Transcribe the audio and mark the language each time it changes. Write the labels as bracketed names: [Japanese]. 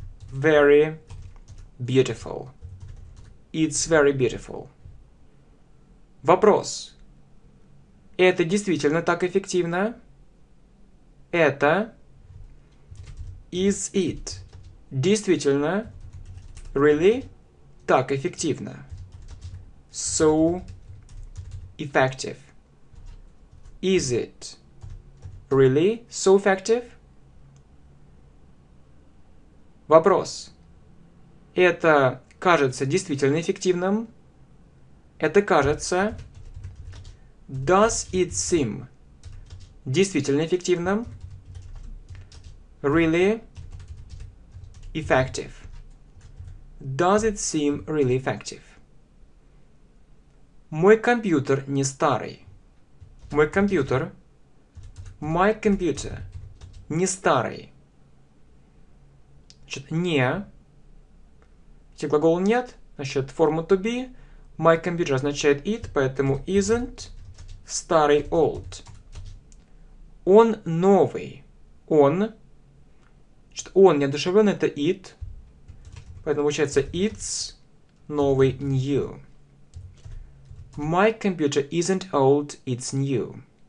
[English] Very beautiful. It's very beautiful. Вопрос. [Russian] Это действительно так эффективно? Это [English] is it [Russian] действительно really так эффективно? [English] So effective. Is it really so effective? [Russian] Вопрос. Это кажется действительно эффективным? Это кажется... [English] Does it seem [Russian] действительно эффективным? [English] Really effective. Does it seem really effective? [Russian] Мой компьютер не старый. Мой компьютер. [English] My computer. [Russian] Не старый. Значит, не. Значит, глагол нет. Значит, форма to be. [English] My computer означает it, поэтому isn't старый old. [Russian] Он новый. Он. Значит, он неодушевлен, это it. Поэтому получается [English] it's [Russian] новый new. [English] My computer isn't old, it's new.